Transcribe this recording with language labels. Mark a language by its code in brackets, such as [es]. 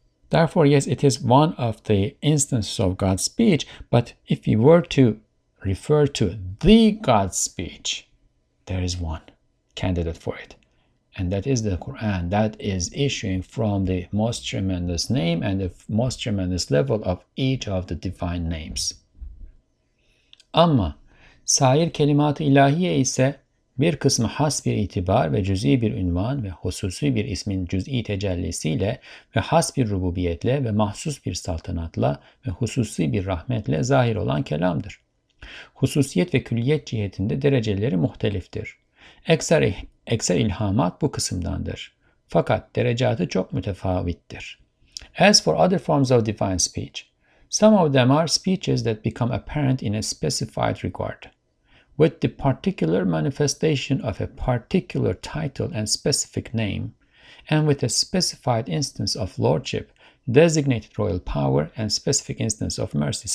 [en] Therefore, yes, it is one of the instances of God's speech, but if we were to refer to the God's speech, there is one candidate for it. And that is the Quran that is issuing from the most tremendous name and the most tremendous level of each of the divine names. [tr] Ama sair kelimat-ı ilahiye ise bir kısmı has bir itibar ve cüz'i bir ünvan ve hususi bir ismin cüz'i tecellisiyle ve has bir rububiyetle ve mahsus bir saltanatla ve hususi bir rahmetle zahir olan kelamdır. Hususiyet ve külliyet cihetinde dereceleri muhteliftir. Ekser ilhamat bu kısımdandır. Fakat derecatı çok mütefavittir. [en] As for other forms of divine speech, some of them are speeches that become apparent in a specified regard, with the particular manifestation of a particular title and specific name, and with a specified instance of lordship, designated royal power, and specific instance of mercy.